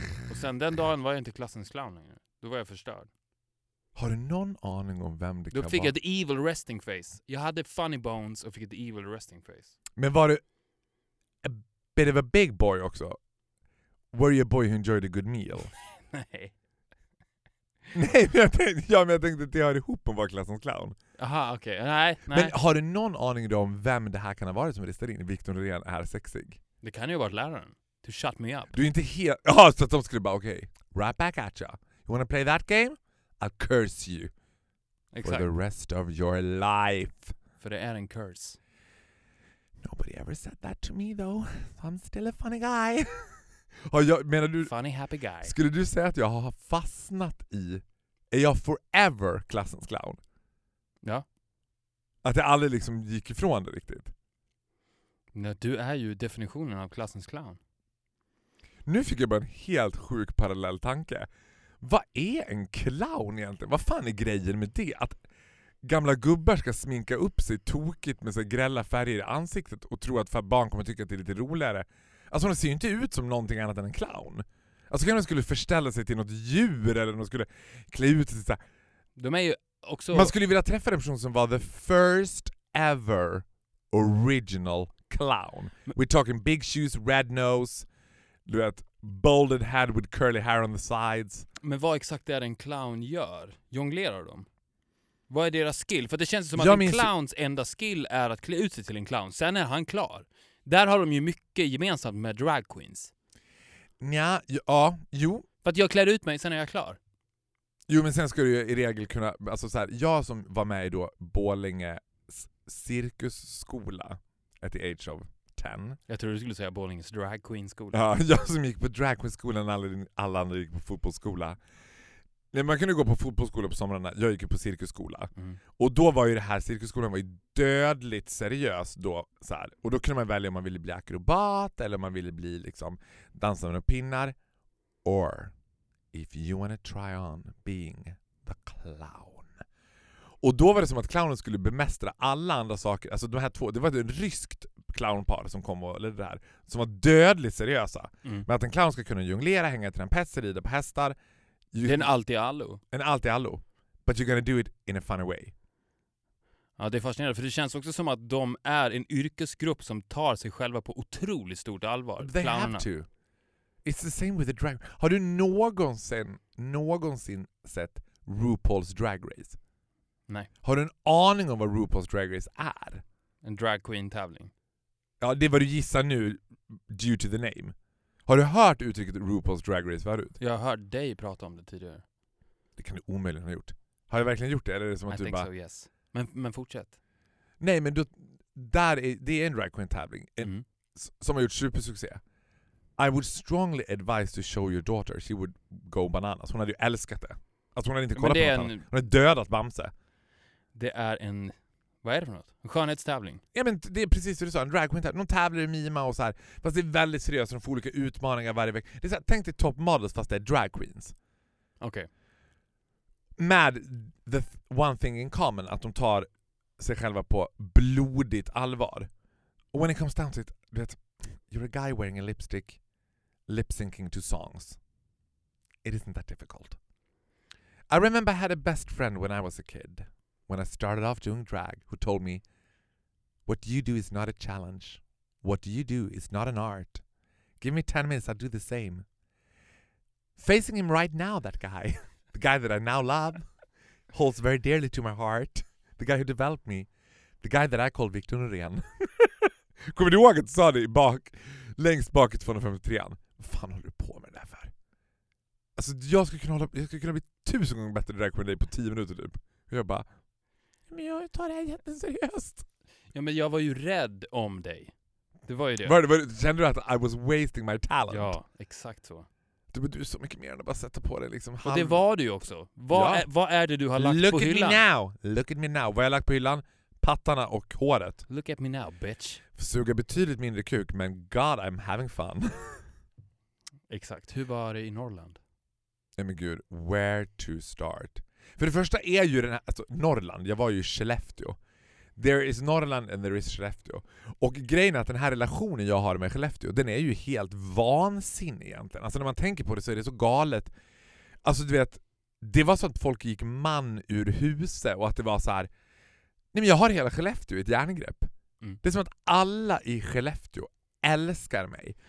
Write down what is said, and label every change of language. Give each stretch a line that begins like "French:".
Swedish: Och sen den dagen var jag inte klassens clown längre. Då var jag förstörd. Har du någon aning om vem det då kan fick vara? Jag ett
English: evil resting face.
Swedish: Jag hade
English: funny bones
Swedish: och fick ett
English: evil resting face.
Swedish: Men var du
English: a bit of a big boy
Swedish: också?
English: Were you a boy who enjoyed a good meal?
Swedish: Nej. Nej, men jag tänkte att det hör ihop om var klassens clown. Aha, okej. Okay. Nej. Men har du någon aning då om vem det här kan ha varit som ristade in? Victor Norén är sexig. Det kan ju ha varit läraren.
English: To shut me up.
Swedish: Du är inte helt... Ja, så att de skulle bara, okej.
English: Okay. Right back at ya. You wanna play that game? I'll curse you.
Swedish: Exakt.
English: For the rest of your life.
Swedish: För det är en curse.
English: Nobody ever said that to me though. So I'm still a funny guy.
Swedish: Och jag, menar du,
English: funny happy guy.
Swedish: Skulle du säga att jag har fastnat i... Är jag forever klassens clown? Ja. Att jag aldrig liksom gick ifrån det riktigt. Nej, du är ju definitionen av klassens clown. Nu fick jag bara en helt sjuk parallell tanke. Vad är en clown egentligen? Vad fan är grejen med det? Att gamla gubbar ska sminka upp sig tokigt med så grälla färger i ansiktet och tro att barn kommer tycka att det är lite roligare. Alltså de ser ju inte ut som någonting annat än en clown. Alltså kan de skulle förställa sig till något djur eller de skulle klä ut sig så. De är ju också... Man skulle vilja träffa en person som var
English: the first ever original clown. We're talking big shoes, red nose,
Swedish: du vet,
English: bolded head with curly hair on the sides.
Swedish: Men vad exakt är det en clown gör? Jonglerar de? Vad är deras skill? För det känns som jag att en clowns enda skill är att klä ut sig till en clown. Sen är han klar. Där har de ju mycket gemensamt med drag queens. Ja, jo. För att jag klär ut mig, sen är jag klar. Jo, men sen ska du ju i regel kunna... Alltså så här, jag som var med i då Borlänge cirkusskola
English: at the age of 10.
Swedish: Jag tror du skulle säga Borlänges drag queen skola. Ja, jag som gick på drag queen skolan när alla andra gick på fotbollsskola. Nej, man kunde gå på fotbollsskola på somrarna. Jag gick ju på cirkusskola. Mm. Och då var ju det här, cirkusskolan var ju dödligt seriös då. Så här. Och då kunde man välja om man ville bli akrobat eller om man ville bli liksom dansa med pinnar.
English: Or if you want to try on being the clown.
Swedish: Och då var det som att clownen skulle bemästra alla andra saker. Alltså de här två, det var ett ryskt clownpar som kom och ledde det här. Som var dödligt seriösa. Mm. Men att en clown ska kunna jonglera, hänga till en pester, rida på hästar. Det är en allt-i-allo. En allt-i-allo.
English: But you're gonna do it in a funny way.
Swedish: Ja, det är fascinerande. För det känns också som att de är en yrkesgrupp som tar sig själva på otroligt stort allvar.
English: They
Swedish: clownerna.
English: Have to. It's the same with the drag.
Swedish: Har du någonsin sett RuPaul's Drag Race? Nej. Har du en aning om vad RuPaul's Drag Race är? En drag queen-tävling. Ja, det är vad du gissar nu
English: due to the name.
Swedish: Har du hört uttrycket RuPaul's Drag Race förut? Jag har hört dig prata om det tidigare. Det kan du omöjligen ha gjort. Har jag verkligen gjort det? Eller är det som att
English: I
Swedish: du
English: think
Swedish: bara...
English: so, yes.
Swedish: Men fortsätt. Nej, men det är en drag queen tävling som har gjort supersuccé.
English: I would strongly advise to show your daughter. She would go bananas.
Swedish: Hon hade ju älskat det. Alltså hon hade inte kollat på något annat. Hon hade dödat Bamse. Det är en... Vad är det för något? En skönhetstävling? Ja, men det är precis det du sa. En drag queen tävling. De tävlar i mima och så här. Fast det är väldigt seriöst. De får olika utmaningar varje vecka. Det är så här, tänk dig top models fast det är drag queens. Okej.
English: Okay. Med the one thing in common.
Swedish: Att de tar sig själva på blodigt allvar.
English: Och when it comes down to it. Vet, you're a guy wearing a lipstick. Lip syncing to songs. It isn't that difficult. I remember I had a best friend when I was a kid. When I started off doing drag, who told me, what you do is not a challenge. What you do is not an art. Give me 10 minutes, I'll do the same. Facing him right now, that guy, the guy that I now love, holds very dearly to my heart, The guy who developed me. The guy that I called Victor Norén.
Swedish: Kommer du ihåg att du sa det bak, längst bak i 253? Vad fan håller du på med det här för? Alltså jag skulle kunna, bli 1000 gånger bättre drag queen än dig på 10 minuter typ. Och jag bara, men jag tar det här jätteseriöst. Ja, men jag var ju rädd om dig. Det var ju det. Kände du att
English: I was wasting my talent?
Swedish: Ja, exakt så. Du är så mycket mer än att bara sätta på dig. Liksom. Och det var du ju också. Vad är det du har lagt
English: Look
Swedish: på hyllan?
English: Look at me now.
Swedish: Vad jag lagt på hyllan? Pattarna och håret.
English: Look at me now, bitch.
Swedish: Suga betydligt mindre kuk, men
English: God, I'm having fun.
Swedish: Exakt. Hur var det i Norrland? Nej, men gud.
English: Where to start?
Swedish: För det första är ju den här, alltså, Norrland. Jag var ju i Skellefteå.
English: There is Norrland and there is Skellefteå.
Swedish: Och grejen är att den här relationen jag har med Skellefteå, den är ju helt vansinnig egentligen. Alltså när man tänker på det så är det så galet. Alltså du vet, det var så att folk gick man ur huset och att det var så här, nej men jag har hela Skellefteå i ett järngrepp. Mm. Det är som att alla i Skellefteå älskar mig.